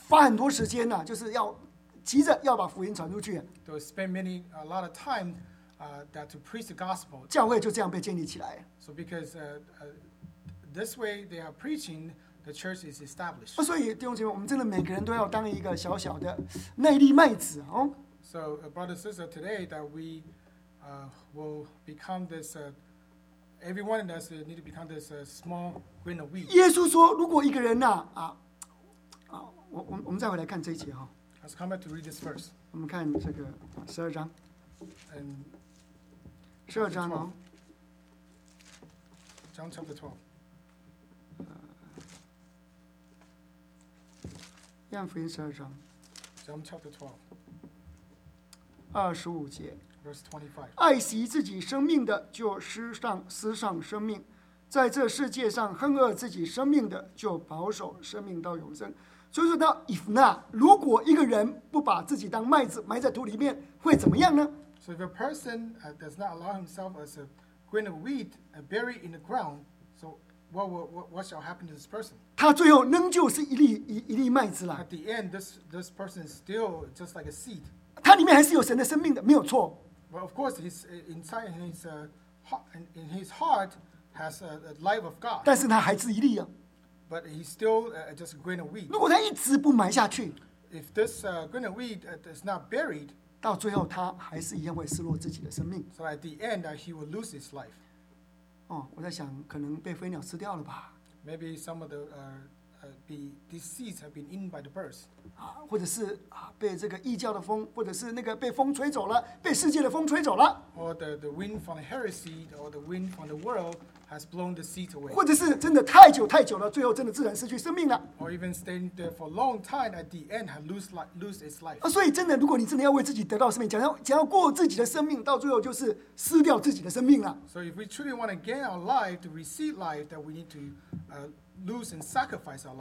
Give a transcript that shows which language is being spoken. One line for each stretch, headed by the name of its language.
Chinese: 花很多时间呐、啊，就是要急着要把福音传出去。
English: They spend a lot of time, that to preach the gospel.
Chinese: 教会就这样被建立起来。
English: So because, this way they are preaching. The church is established.
Chinese: 所以弟兄姐妹，我们真的每个人都要当一个小小的那粒麦子哦。
English: So, brother, sister, today that we, will become this. Everyone of us need to become this small grain of wheat.
Chinese: 耶稣说，如果一个人呐、啊，啊，我们再回来看这一节哈。
English: Let's come back to read this verse.
Chinese: 我们看这个十二章。
English: And
Chinese: 十二章哦。
English: John chapter 12.
Chinese: 约翰福音十二章。
English: John chapter 12.
Chinese: 二十五节。
English: Verse 25.
Chinese: 爱惜自己生命的，就失丧生命。在这世界上恨恶自己生命的，就保守生命到永生。所以说到
English: if not,
Chinese: 如果一个人不把自己当麦子埋在土里面，会怎么样呢？
English: So if a person does not allow himself as a grain of wheat buried in the ground, so what shall happen to this person?
Chinese: 他最后仍旧是一粒麦子了。
English: At the end, this person is still just like a seed.
Chinese: 他里面还是有神的生命的，没有错。
English: Well, of course, he's inside in his heart. Has a life of God.
Chinese: 但是他还是一粒啊。
English: But he's still just a grain of wheat.
Chinese: 如果他一直不埋下去
English: ，If this grain of wheat is not buried,
Chinese: 到最后他还是一样会失落自己的生命。
English: So at the end, he will lose his life.
Chinese: 哦，我在想，可能被飞鸟吃掉了吧
English: ？Maybe some of the these seeds have been eaten by the birds.
Chinese: 啊，或者是啊，被这个异教的风，或者是那个被风吹走了，被世界的风吹走了。
English: Or the wind from the heresy, or the wind from the world. Has blown the seed away.
Chinese: 或者是真的太久太久了，最后真的自然失去生命了。
English: Or even staying there for a long time, at the end, had lose its life.
Chinese: 所以真的，如果你真的要为自己得到生命，想要过自己的生命，到最后就是失掉自己的生命了。
English: So if we truly want to gain our life to receive life, that we need to lose and sacrifice our life.